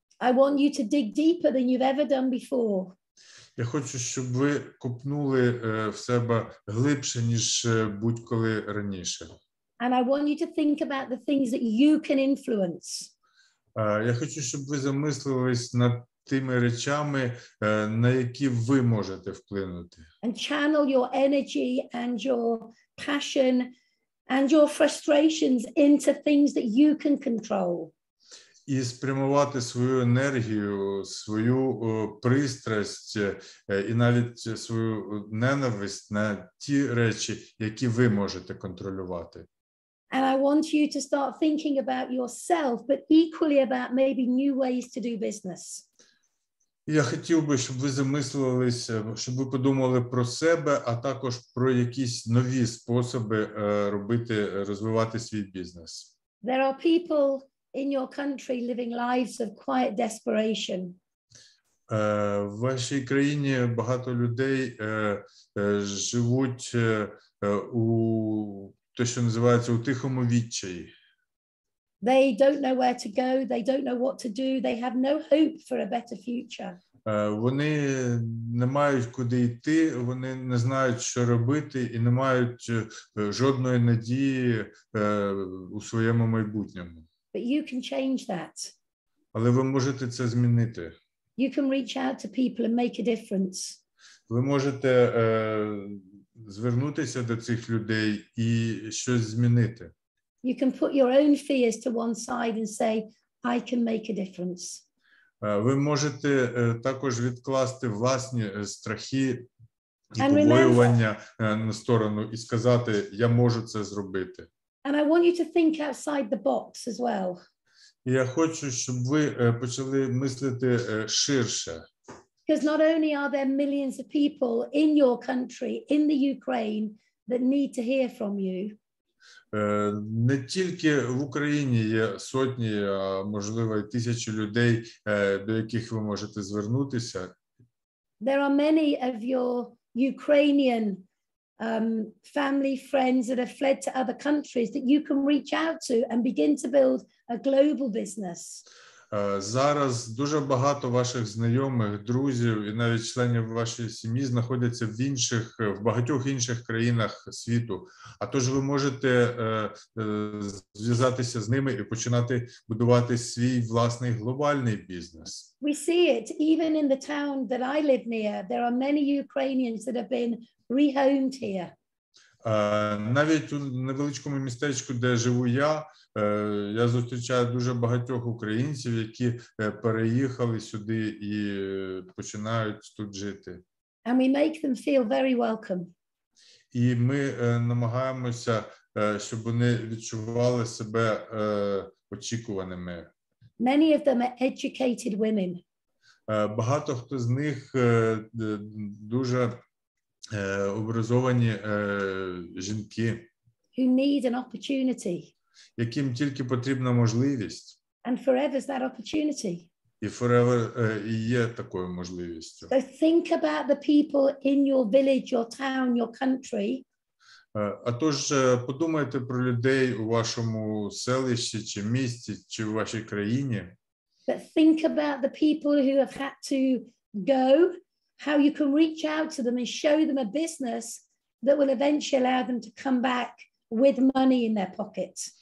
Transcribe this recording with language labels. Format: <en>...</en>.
<en>I want you to dig deeper than you've ever done before.</en> <uk>Я хочу, щоб ви копнули в себе глибше, ніж будь-коли раніше.</uk> <en>And I want you to think about the things that you can influence.</en> <uk>Я хочу, щоб ви замислились над тими речами, на які ви можете вплинути.</uk> <en>And channel your energy and your passion and your frustrations into things that you can control.</en> <uk>І спрямувати свою енергію, свою пристрасть і навіть свою ненависть на ті речі, які ви можете контролювати.</uk> <en>And I want you to start thinking about yourself, but equally about maybe new ways to do business.</en> <uk>Я хотів би, щоб ви замислились, щоб ви подумали про себе, а також про якісь нові способи робити, розвивати свій бізнес.</uk> <en>There are people in your country living lives of quiet desperation.</en> <uk>В вашій країні багато людей живуть у те, що називається у тихому відчаї.</uk> <en>They don't know where to go, they don't know what to do, they have no hope for a better future.</en> <uk>Вони не мають куди йти, вони не знають, що робити, і не мають жодної надії у своєму майбутньому.</uk> <en>But you can change that.</en> <uk>Але ви можете це змінити.</uk> <en>You can reach out to people and make a difference.</en> <uk>Ви можете звернутися до цих людей і щось змінити.</uk> <en>You can put your own fears to one side and say, I can make a difference.</en> <uk>Ви можете також відкласти власні страхи і побоювання на сторону і сказати, я можу це зробити.</uk> <en>And I want you to think outside the box as well.</en> <uk>Я хочу, щоб ви почали мислити ширше.</uk> <en>Because not only are there millions of people in your country, in the Ukraine, that need to hear from you,</en> <uk>не тільки в Україні є сотні, а можливо, і тисячі людей, до яких ви можете звернутися.</uk> <en>There are many of your Ukrainian family, friends that have fled to other countries that you can reach out to and begin to build a global business.</en> <uk>Зараз дуже багато ваших знайомих, друзів і навіть членів вашої сім'ї знаходяться в інших, в багатьох інших країнах світу. А тож ви можете зв'язатися з ними і починати будувати свій власний глобальний бізнес.</uk> <en>We see it even in the town that I live near. There are many Ukrainians that have been rehomed here.</en> <uk>Навіть у невеличкому містечку, де живу я зустрічаю дуже багатьох українців, які переїхали сюди і починають тут жити.</uk> <en>And we make them feel very welcome.</en> <uk>І ми намагаємося, щоб вони відчували себе очікуваними.</uk> <en>Many of them are educated women.</en> <uk>Багато хто з них дуже образовані жінки,</uk> <en>who need an opportunity,</en> <uk>яким тільки потрібна можливість,</uk> <en>and forever is that opportunity,</en> <uk>і forever є такою можливістю.</uk> <en>So think about the people in your village, your town, your country.</en> <uk>А тож подумайте про людей у вашому селищі чи місті чи в вашій країні.</uk> <en>But think about the people who have had to go. How you can reach out to them and show them a business that will eventually allow them to come back with money in their pocket.</en>